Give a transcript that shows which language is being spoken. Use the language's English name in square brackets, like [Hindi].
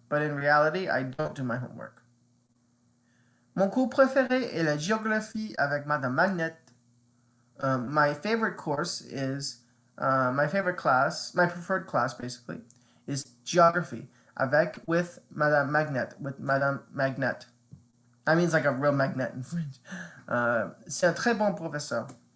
[English] But in reality, I don't do my homework. [French] Mon cours préféré est la géographie avec Madame Magnette. [English] My favorite course is, my favorite class, my preferred class basically, is geography [French] avec, [English] with Madame Magnette, with Madame Magnette. That means like a real magnet in French. [French] C'est un très bon professeur.